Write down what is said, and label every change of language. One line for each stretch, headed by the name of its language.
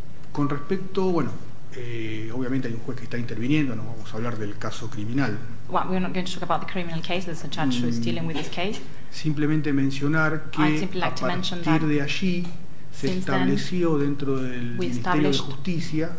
Spanish: Con respecto, bueno, obviamente hay un juez que está interviniendo, no vamos a hablar del caso criminal.
English: Well, we're not going to talk about the criminal case, there's a judge who is dealing with this case.
Spanish: Simplemente mencionar que
English: like
Spanish: a partir de allí se estableció dentro del Ministerio de Justicia